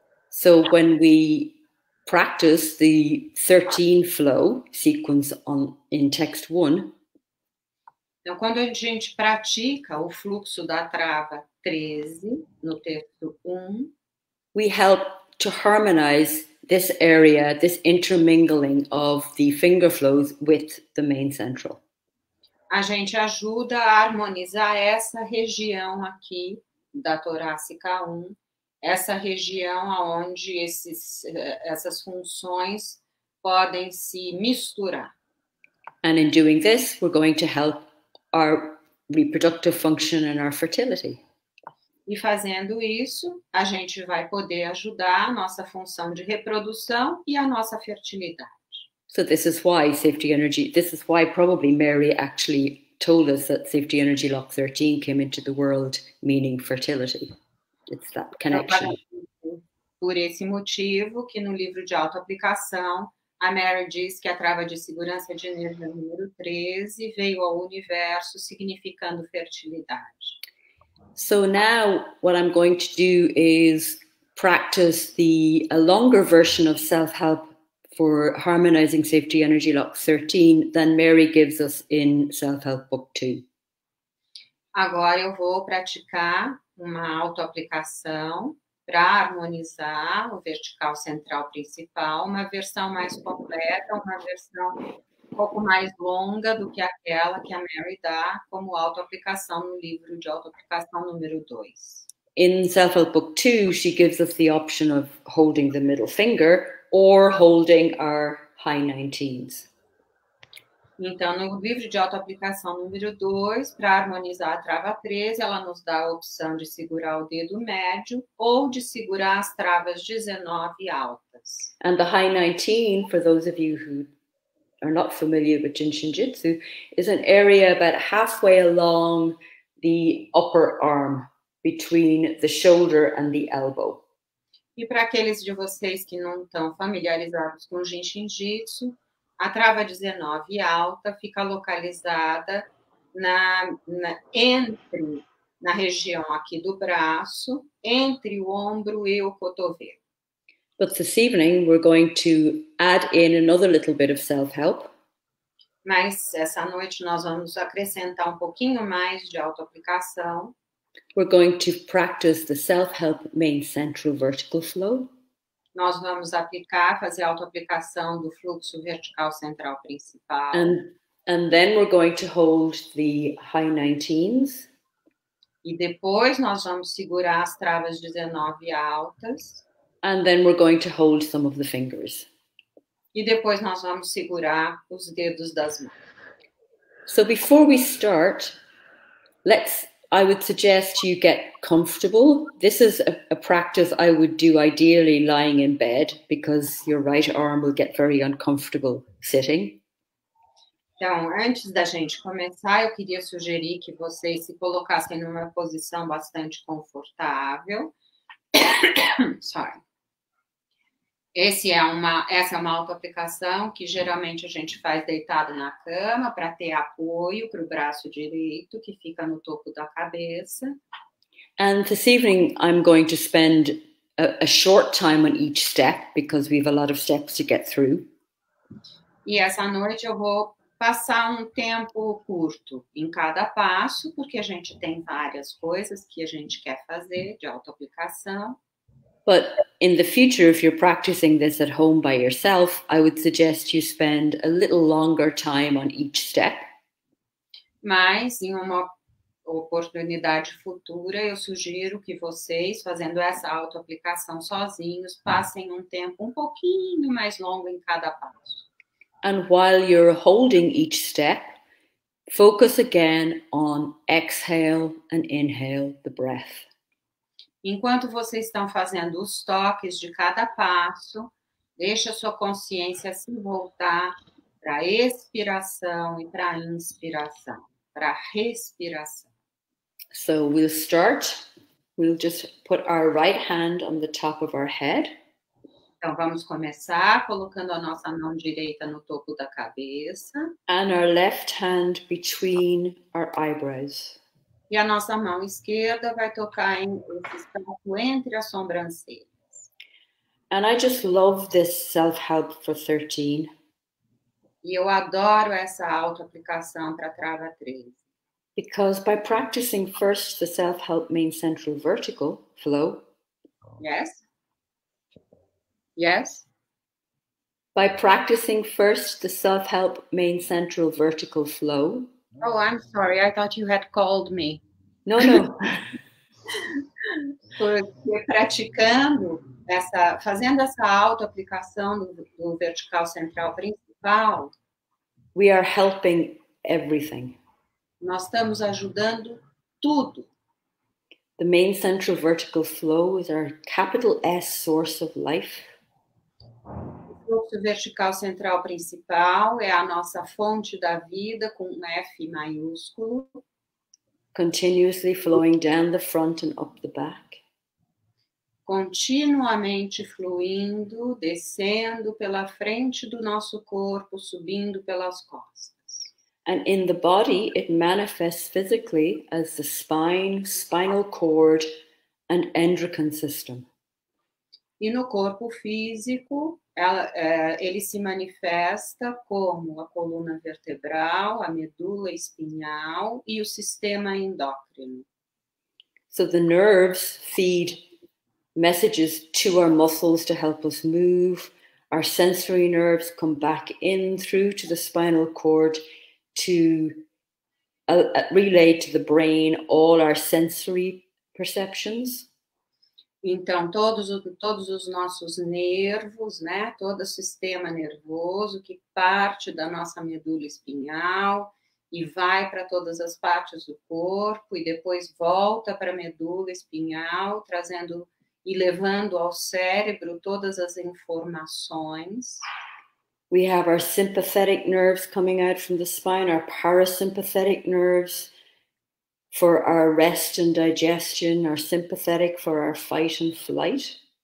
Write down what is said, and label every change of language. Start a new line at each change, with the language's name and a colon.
English: So when we practice the 13 flow sequence on in text 1,
Portuguese: então, quando a gente pratica o fluxo da trava 13, no texto 1,
English: we help to harmonize this area, this intermingling of the finger flows with the main central.
Portuguese: A gente ajuda a harmonizar essa região aqui da torácica 1, essa região onde essas funções podem se misturar.
English: And in doing this, we're going to help our reproductive function and our fertility.
Portuguese: E fazendo isso, a gente vai poder ajudar a nossa função de reprodução e a nossa fertilidade.
English: So this is why safety energy, this is why probably Mary actually told us that Safety Energy Lock 13 came into the world meaning fertility. It's that connection.
Portuguese: Por esse motivo que no livro de autoaplicação a Mary diz que a trava de segurança de energia número 13 veio ao universo significando fertilidade.
English: So now what I'm going to do is practice a longer version of self-help for harmonizing Safety Energy Lock 13 than Mary gives us in Self-Help Book 2.
Portuguese: Agora eu vou praticar uma autoaplicação para harmonizar o vertical central principal, uma versão mais completa, uma versão um pouco mais longa do que aquela que a Mary dá como autoaplicação no livro de autoaplicação número 2.
English: In Self-Help Book 2, she gives us the option of holding the middle finger or holding our high 19s.
Portuguese: Então, no livro de autoaplicação número 2, para harmonizar a trava 13, ela nos dá a opção de segurar o dedo médio ou de segurar as travas 19 altas.
English: And the high 19, for those of you who are not familiar with Jin Shin Jyutsu, is an area about halfway along the upper arm, between the shoulder and the elbow.
Portuguese: E para aqueles de vocês que não estão familiarizados com o Jin Shin Jyutsu, a trava 19 alta fica localizada na região aqui do braço, entre o ombro e o cotovelo.
English: But this evening we're going to add in another little bit of self-help.
Portuguese: Mas essa noite nós vamos acrescentar um pouquinho mais de autoaplicação.
English: We're going to practice the self-help main central vertical flow.
Portuguese: Nós vamos aplicar, fazer autoaplicação do fluxo vertical central principal.
English: And then we're going to hold the high 19s.
Portuguese: E depois nós vamos segurar as travas 19 altas.
English: And then we're going to hold some of the fingers.
Portuguese: E depois nós vamos segurar os dedos das mãos.
English: So before we start, I would suggest you get comfortable. This is a practice I would do ideally lying in bed, because your right arm will get very uncomfortable sitting.
Portuguese: Então, antes da gente começar, eu queria sugerir que vocês se colocassem numa posição bastante confortável.
English: Sorry.
Portuguese: Essa é uma autoaplicação que geralmente a gente faz deitado na cama para ter apoio para o braço direito, que fica no topo da cabeça.
English: And this evening I'm going to spend a short time on each step, because we have a lot of steps to get through.
Portuguese: E essa noite eu vou passar um tempo curto em cada passo, porque a gente tem várias coisas que a gente quer fazer de autoaplicação.
English: But in the future, if you're practicing this at home by yourself, I would suggest you spend a little longer time on each step.
Portuguese: Mas em uma oportunidade futura, eu sugiro que vocês, fazendo essa autoaplicação sozinhos, passem um tempo um pouquinho mais longo em cada passo.
English: And while you're holding each step, focus again on exhale and inhale the breath.
Portuguese: Enquanto vocês estão fazendo os toques de cada passo, deixa sua consciência se voltar para a expiração e para a inspiração, para a respiração.
English: So we'll start. We'll just put our right hand on the top of our head.
Portuguese: Então vamos começar colocando a nossa mão direita no topo da cabeça.
English: And our left hand between our eyebrows.
Portuguese: E a nossa mão esquerda vai tocar em esse espaço entre as sobrancelhas.
English: And I just love this self-help for 13.
Portuguese: E eu adoro essa auto-aplicação para a trava 13.
English: Because by practicing first the self-help main central vertical flow. Yes. Yes. By practicing first the self-help main central vertical flow. Oh, I'm sorry. I thought you had called me. No, no.
Portuguese: Porque praticando, fazendo essa auto-aplicação do vertical central principal,
English: we are helping everything.
Portuguese: Nós estamos ajudando tudo.
English: The main central vertical flow is our capital S source of life.
Portuguese: O fluxo vertical central principal é a nossa fonte da vida, com um F maiúsculo.
English: Continuously flowing down the front and up the back.
Portuguese: Continuamente fluindo, descendo pela frente do nosso corpo, subindo pelas costas.
English: And in the body, it manifests physically as the spine, spinal cord, and endocrine system.
Portuguese: E no corpo físico, ele se manifesta como a coluna vertebral, a medula espinhal e o sistema endócrino.
English: So the nerves feed messages to our muscles to help us move. Our sensory nerves come back in through to the spinal cord to relay to the brain all our sensory perceptions.
Portuguese: Então, todos os nossos nervos, né? Todo o sistema nervoso que parte da nossa medula espinhal e vai para todas as partes do corpo e depois volta para a medula espinhal, trazendo e levando ao cérebro todas as informações.
English: We have our sympathetic nerves coming out from the spine, our parasympathetic nerves for our rest and digestion, our sympathetic for our fight and flight.